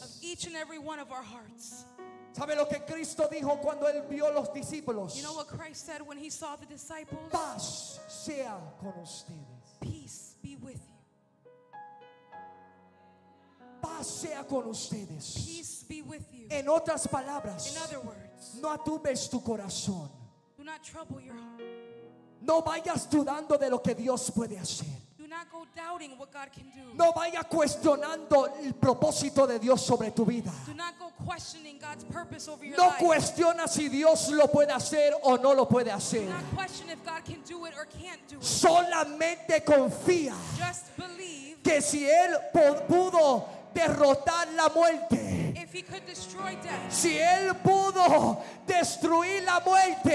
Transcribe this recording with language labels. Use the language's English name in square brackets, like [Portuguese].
[English] Of each and every one of our hearts. [Spanish] ¿Sabe lo que Cristo dijo cuando él vio los discípulos? [English] You know what Christ said when he saw the disciples? [Spanish] Paz sea con ustedes. [English] Peace be with you. [Spanish] Paz sea con ustedes. [English] Peace be with you. [Spanish] En otras palabras, [English] in other words, [Spanish] no atubes tu corazón. [English] Do not trouble your heart. [Spanish] No vayas dudando de lo que Dios puede hacer. [English] Do not go doubting what God can do. [Spanish] No vayas cuestionando el propósito de Dios sobre tu vida. [English] Do not go questioning God's purpose over your [Spanish] no [English] life. [Spanish] Cuestiona si Dios lo puede hacer o no lo puede hacer. [English] Do not question if God can do it or can't do it. [Spanish] Solamente confía. [English] Just believe. [Spanish] Que si Él pudo derrotar la muerte, [English] if he could destroy death, [Spanish] si él pudo destruir la muerte,